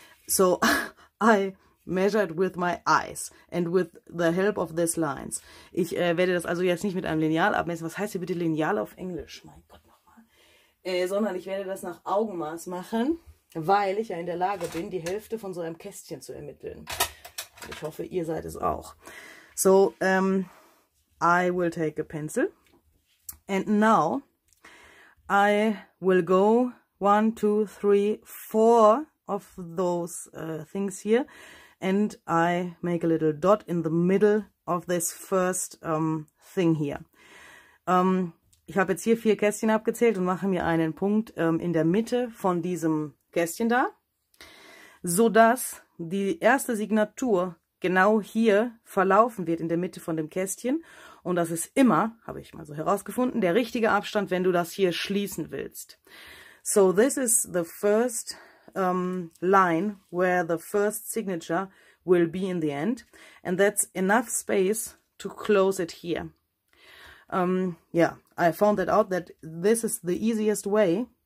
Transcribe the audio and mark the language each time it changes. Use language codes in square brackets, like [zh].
[en] So, I measure it with my eyes and with the help of these lines. [de] Ich werde das also jetzt nicht mit einem Lineal abmessen. Was heißt hier bitte Lineal auf Englisch? Mein Gott, nochmal. Sondern ich werde das nach Augenmaß machen, weil ich ja in der Lage bin, die Hälfte von so einem Kästchen zu ermitteln. Ich hoffe, ihr seid es auch. [en] So, I will take a pencil. And now, I will go 1, 2, 3, 4 of those things here. and I make a little dot in the middle of this first thing here. [de] Ich habe jetzt hier vier Kästchen abgezählt und mache mir einen Punkt in der Mitte von diesem Kästchen da, sodass die erste Signatur genau hier verlaufen wird, in der Mitte von dem Kästchen. Und das ist immer, habe ich mal so herausgefunden, der richtige Abstand, wenn du das hier schließen willst. [en] So this is the first line where the first signature will be in the end. And that's enough space to close it here. Yeah, I found that out, that this is the easiest way.